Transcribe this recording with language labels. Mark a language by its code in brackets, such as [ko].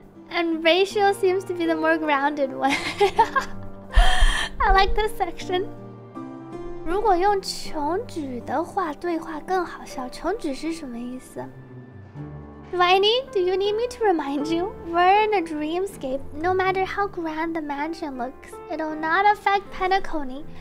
[en] And Ratio seems to be the more grounded one. I like this section. [zh] 如果用穷举的话对话更好笑 穷举是什么意思? [en] Do you need me to remind you? We're in a dreamscape. No matter how grand the mansion looks, it'll not affect Penacony.